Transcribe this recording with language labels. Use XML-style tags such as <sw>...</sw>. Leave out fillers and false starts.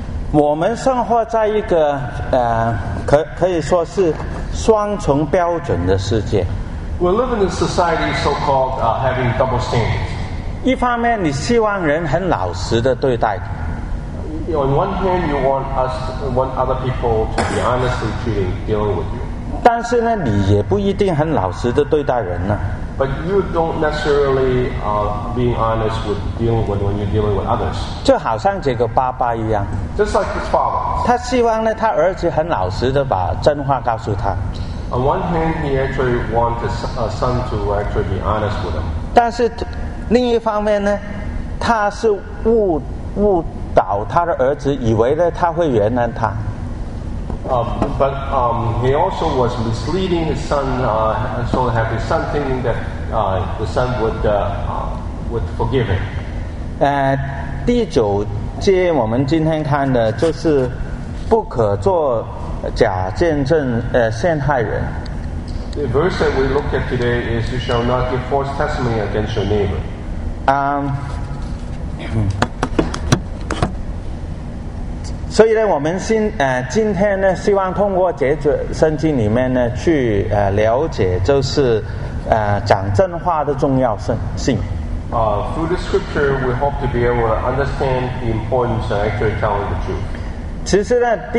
<zh>我们生活在一个可以说是双重标准的世界。</zh> <en>We live in a society so-called having double standards.</en> <zh>一方面，你希望人很老实的对待你。</zh> <en>On one hand, you want other people to be honestly dealing with you.</en> <zh>但是呢，你也不一定很老实的对待人呢。</zh> <en>But you don't necessarily being honest with when you're dealing with others.</en> <zh>就好像这个爸爸一样。</zh> <en>Just like his father.</en> <zh>他希望呢，他儿子很老实的把真话告诉他。</zh> <en>On one hand, he actually wants his son to actually be honest with him.</en> <zh>但是另一方面呢，他是误导他的儿子，以为呢他会原谅他。</zh> <en>But he also was misleading his son, so have his son thinking that the son would forgive him.</en> <zh>第九节我们今天看的就是不可做假见证陷害人。</zh> <en>The verse that we look at today is, "You shall not give false testimony against your neighbor."</en> <zh>So,以我们今天呢，希望通过这卷圣经里面呢，去了解，就是讲真话的重要性。</zh> <en>Through the scripture, we hope to be able to understand the importance of actually telling the truth.</en>